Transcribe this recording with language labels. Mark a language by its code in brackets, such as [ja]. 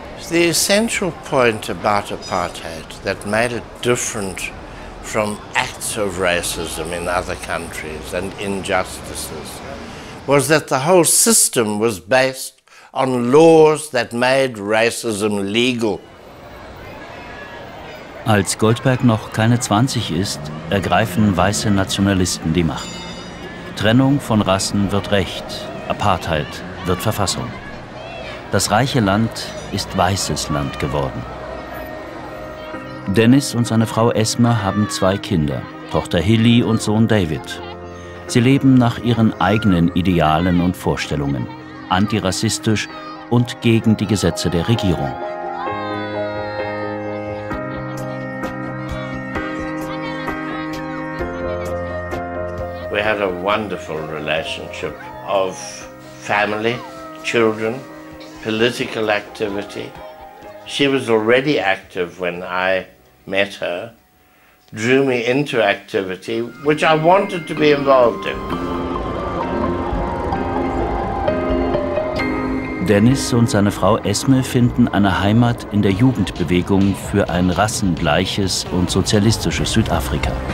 [en] The essential point about apartheid that made it different from acts of racism in other countries and injustices was that the whole system was based on laws that made racism legal. [de] Als Goldberg noch keine 20 ist, ergreifen weiße Nationalisten die Macht. Trennung von Rassen wird Recht, Apartheid wird Verfassung. Das reiche Land ist weißes Land geworden. Denis und seine Frau Esma haben 2 Kinder, Tochter Hilly und Sohn David. Sie leben nach ihren eigenen Idealen und Vorstellungen, antirassistisch und gegen die Gesetze der Regierung. [en] We had a wonderful relationship of family, children, political activity. She was already active when I met her, drew me into activity, which I wanted to be involved in. [de] Denis und seine Frau Esme finden eine Heimat in der Jugendbewegung für ein rassengleiches und sozialistisches Südafrika.